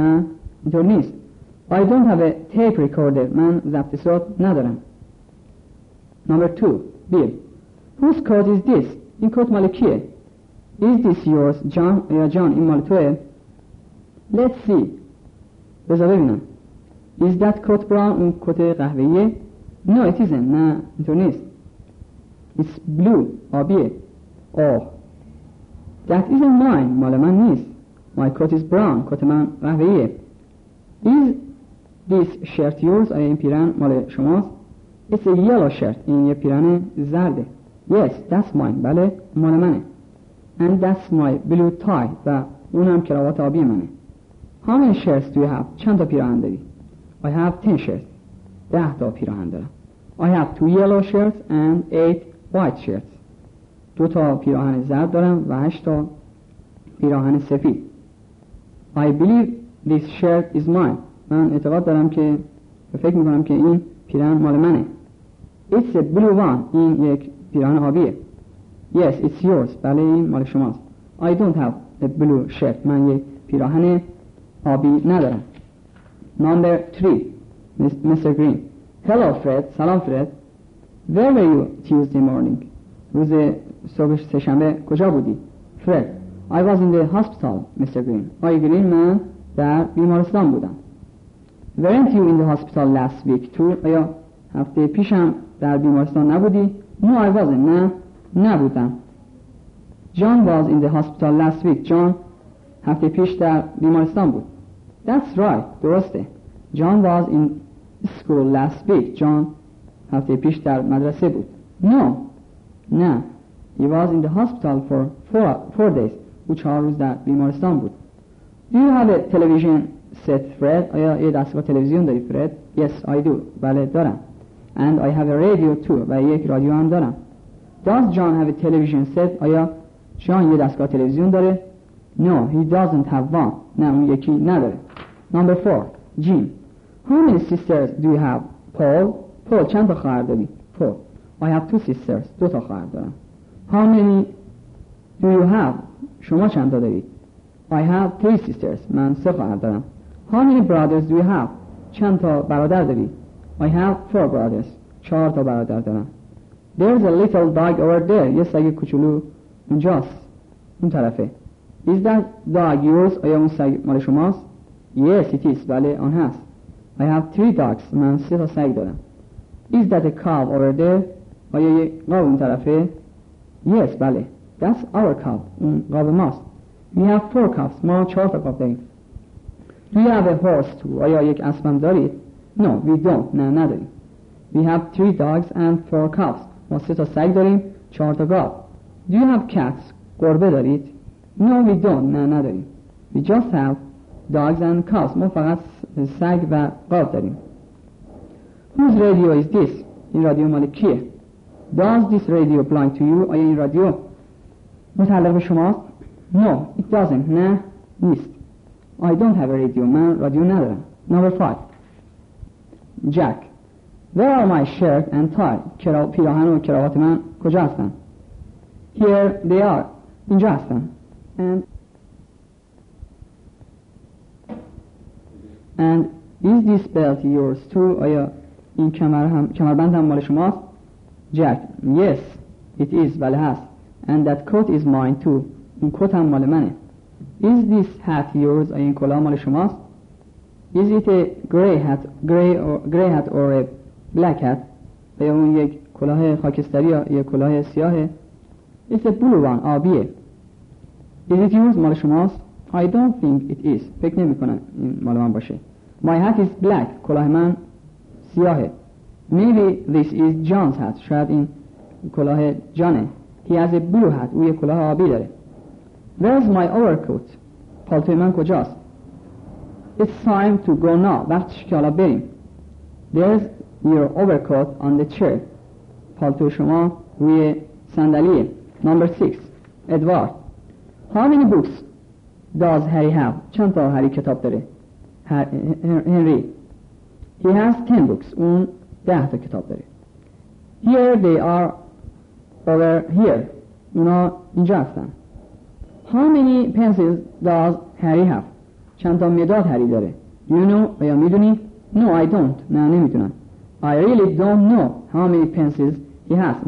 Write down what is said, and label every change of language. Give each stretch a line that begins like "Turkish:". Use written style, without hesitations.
Persian: نه، اینطور نیست.
English: I don't have a tape recorder.
Persian: من ضبط صوت ندارم.
English: Number two. Bill. Whose coat is this?
Persian: این کت مال کیه؟
English: Is this yours, John?
Persian: یا جان، این مال توه؟
English: Let's see.
Persian: بذار ببینم.
English: Is that coat brown?
Persian: اون کت قهوه‌ایه؟
English: No, it isn't.
Persian: نه، اینطور نیست.
English: It's blue.
Persian: آبیه.
English: Oh. That isn't mine.
Persian: مال من نیست.
English: My coat is brown.
Persian: کت من قهوه‌ایه.
English: Is this shirt yours?
Persian: آیا این پیرهن مال شماست؟
English: It's a yellow shirt.
Persian: این یه پیرهن زرده.
English: Yes, that's mine.
Persian: بله، مال منه.
English: And that's my blue tie.
Persian: و اونم کراوات آبی منه.
English: How many shirts do you have?
Persian: چند تا پیرهن داری؟
English: I have 10 shirts.
Persian: 10 تا پیرهن دارم.
English: I have 2 yellow shirts and 8 white shirts.
Persian: دو تا پیراهن زرد دارم و 8 تا پیراهن سفید.
English: I believe this shirt is mine.
Persian: من اعتقاد دارم که فکر میکنم که این پیراهن مال منه.
English: It's a blue one.
Persian: این یک پیراهن آبیه.
English: Yes, it's yours.
Persian: بله این مال شماست.
English: I don't have a blue shirt.
Persian: من یک پیراهن آبی ندارم.
English: Number 3. Mr. Green. Hello, Fred.
Persian: سلام فرد.
English: Where were you Tuesday morning?
Persian: روز صبح سه‌شنبه کجا بودی؟
English: Fred, I was in the hospital, Mr. Green.
Persian: آقای گرین، من در بیمارستان بودم.
English: Weren't you in the hospital last week too?
Persian: آیا هفته پیشم در بیمارستان نبودی؟
English: No, I wasn't.
Persian: نه، نبودم.
English: John was in the hospital last week.
Persian: John هفته پیش در بیمارستان بود.
English: That's right.
Persian: درسته.
English: John was in school last week.
Persian: John هفته پیش در مدرسه بود.
English: No.
Persian: نه.
English: He was in the hospital for four days.
Persian: او 4 روز در بیمارستان بود.
English: Do you have a television set, Fred?
Persian: آیا یه دستگاه تلویزیون داری, Fred?
English: Yes, I do.
Persian: بله دارم.
English: And I have a radio too.
Persian: و یک رادیو هم دارم.
English: Does John have a television set?
Persian: آیا جان یه دستگاه تلویزیون داره؟
English: No, he doesn't have one.
Persian: نه اون یکی نداره.
English: Number 4.
Persian: Jim.
English: How many sisters do you have? Paul.
Persian: Paul چند تا خواهر داری؟ Paul.
English: I have two sisters.
Persian: دو تا خواهر دارم.
English: How many do you have?
Persian: شما چند تا داری؟
English: I have three sisters.
Persian: من سه خواهر دارم.
English: How many brothers do you have?
Persian: چند تا برادر داری؟
English: I have four brothers.
Persian: چهار تا برادر دارم.
English: There's a little dog over there.
Persian: یه سگ کوچولو اونجاست. اون طرفه.
English: Is that dog yours?
Persian: آیا اون سگ مال شماست؟
English: Yes, it is.
Persian: بله آن هست.
English: I have three dogs.
Persian: من سه تا سگ دارم.
English: Is that a cow over there?
Persian: آیا یه گاو اون طرفه؟ Yes, بله.
English: That's our cow.
Persian: اون گاو ماست.
English: We have four cows.
Persian: ما چهار تا گاو داریم.
English: Do you have a horse too?
Persian: آیا یک اسب هم دارید؟
English: No, we don't.
Persian: نه نداریم.
English: We have three dogs and four cows.
Persian: ما سه تا سگ داریم، چهار تا گاو.
English: Do you have cats?
Persian: گربه دارید؟
English: No, we don't.
Persian: نه نداریم.
English: We just have dogs and cows.
Persian: ما فقط سگ و گاو داریم.
English: Whose radio is this?
Persian: این رادیو مال کیه؟
English: Does this radio belong to you?
Persian: آیا این رادیو متعلق به شماست؟
English: No, it doesn't.
Persian: نه نیست.
English: I don't have a radio.
Persian: من رادیو ندارم.
English: Number 5. Jack. Where are my shirt and tie?
Persian: پیراهن و کراوات من کجا هستن؟
English: Here they are.
Persian: اینجا هستن.
English: And is this belt yours too?
Persian: آیا این کمربند هم مال شماست؟ Jack.
English: Yes, it is.
Persian: بله هست.
English: And that coat is mine too.
Persian: این کت هم مال منه.
English: Is this hat yours?
Persian: آیا این کلاه مال شماست؟
English: Is it a gray hat or a black hat?
Persian: آیا اون یک کلاه خاکستری یا یک کلاه سیاهه؟
English: It's a blue one.
Persian: آبیه.
English: Is it yours?
Persian: مال شماست؟
English: I don't think it is.
Persian: فکر نمی کنم این مال من باشه.
English: My hat is black.
Persian: کلاه من سیاهه.
English: Maybe this is John's hat.
Persian: شاید این کلاه جانه.
English: He has a blue hat.
Persian: او یک کلاه آبی داره.
English: Where's my overcoat?
Persian: پالتوی من کجاست؟
English: It's time to go now.
Persian: وقتش که حالا بریم.
English: There's your overcoat on the chair.
Persian: پالتو شما روی صندلیه.
English: Number 6.
Persian: Edward.
English: How many books does Harry have?
Persian: چند تا هری کتاب داره؟ Henry.
English: He has 10 books.
Persian: اون 10 تا کتاب داره.
English: Here they are over here.
Persian: اونا اینجا هستن.
English: How many pencils does Harry have?
Persian: چند تا مداد هری داره؟
English: Do you know?
Persian: آیا میدونی؟
English: No, I don't.
Persian: نه نمیدونم.
English: I really don't know how many pencils he has.